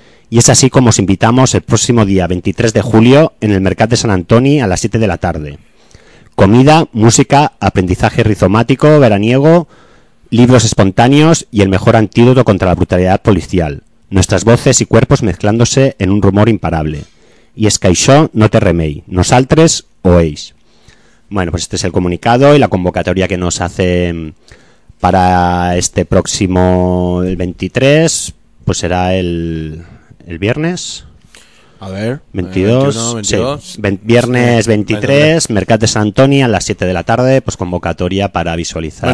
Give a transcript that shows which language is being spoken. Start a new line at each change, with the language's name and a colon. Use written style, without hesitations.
Spanish: Y es así como os invitamos el próximo día 23 de julio en el Mercat de San Antoni a las 7 de la tarde. Comida, música, aprendizaje rizomático, veraniego, libros espontáneos y el mejor antídoto contra la brutalidad policial. Nuestras voces y cuerpos mezclándose en un rumor imparable.
Catalan: i és que això no té remei, nosaltres o ells.
Spanish: Bueno, pues este es el comunicado y la convocatoria que nos hace para este próximo, el 23, pues será el viernes. A ver. 22. 21, 22. Sí, viernes 23, Mercat de Sant Antoni a las 7 de la tarde, pues convocatoria para visualizar.